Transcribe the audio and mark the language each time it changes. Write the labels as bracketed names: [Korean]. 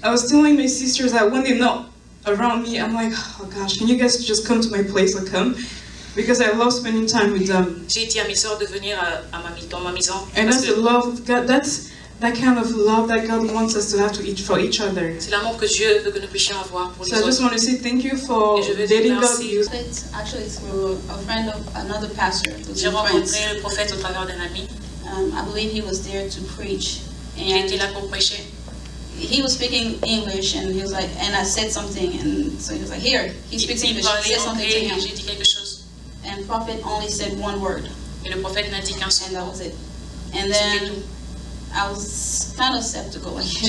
[English] I was telling my sisters that when they're not around me, I'm like, oh gosh, can you guys just come to my place? I'll come, because I love spending time with them. [French] J'ai dit à mes sœurs de venir à ma maison. [English] And that's the love of God. That's That kind of love that God wants us to have to each for each other. [French] C'est l'amour que Dieu veut que nous puissions avoir pour les autres. [English] So I just want to say thank you for dating God. Actually, through a friend of another pastor. [French] J'ai rencontré le prophète au travers d'un ami. [English] I believe he was there to preach. [French] Il était là pour prêcher. [English] He was speaking English and he was like, and I said something, and so he was like, here, he speaks English, say something to him. [French] J'ai dit quelque chose. [English] And prophet only said one word. [French] Et le prophète n'a dit qu'un seul. [English] And that was it. And then. I was kind of skeptical, like